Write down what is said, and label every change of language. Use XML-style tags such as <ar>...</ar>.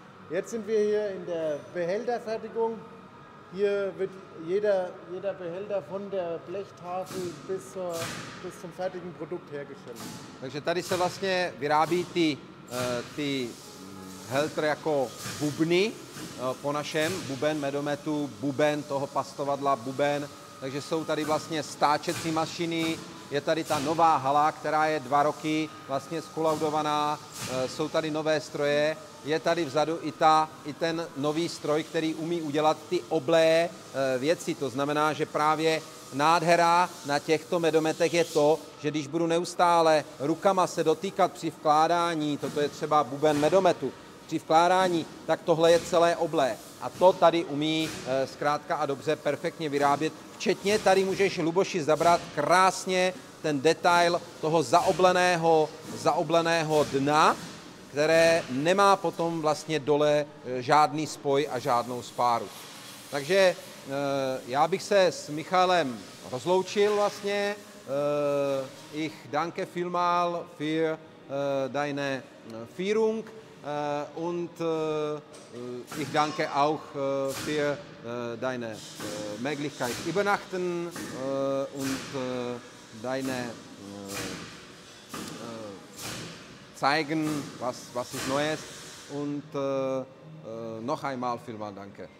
<de>Jetzt sind wir hier in der Behälterfertigung. Hier wird jeder Behälter von der Blechtafel bis zum fertigen Produkt hergestellt.</de> <cs>Takže tady se vlastně vyrábí ty helter jako bubny po našem buben medometu, buben toho pastovadla, buben. Takže jsou tady vlastně stáčecí mašiny. Je tady ta nová hala, která je 2 roky vlastně zkolaudovaná. Jsou tady nové stroje. Je tady vzadu i ten nový stroj, který umí udělat ty oblé věci. To znamená, že právě nádhera na těchto medometech je to, že když budu neustále rukama se dotýkat při vkládání, toto je třeba buben medometu, při vkládání, tak tohle je celé oblé. A to tady umí zkrátka a dobře perfektně vyrábět. Včetně tady můžeš, Luboši, zabrat krásně ten detail toho zaobleného dna, které nemá potom vlastně dole žádný spoj a žádnou spáru. Takže já bych se s Michalem rozloučil vlastně.</cs> <de>Ich danke vielmal für deine Führung und ich danke auch für deine Möglichkeit übernachten und deine zeigen, was ist Neues und noch einmal vielmal danke.</de>